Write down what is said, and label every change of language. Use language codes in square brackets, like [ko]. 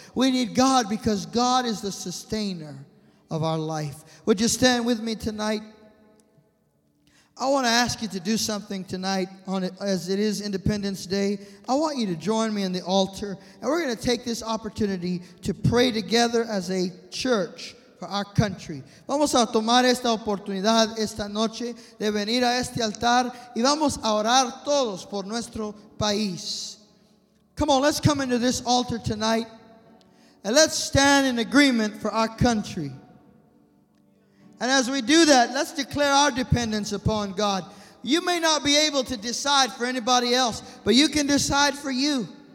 [en] We need God because God is the sustainer of our life. Would you stand with me tonight? I want to ask you to do something tonight on it, as it is Independence Day. I want you to join me in the altar. And we're going to take this opportunity to pray together as a church for our country. [es] Vamos a tomar esta oportunidad esta noche de venir a este altar y vamos a orar todos por nuestro país. [en] Come on, let's come into this altar tonight and let's stand in agreement for our country. And as we do that, let's declare our dependence upon God. You may not be able to decide for anybody else, but you can decide for you.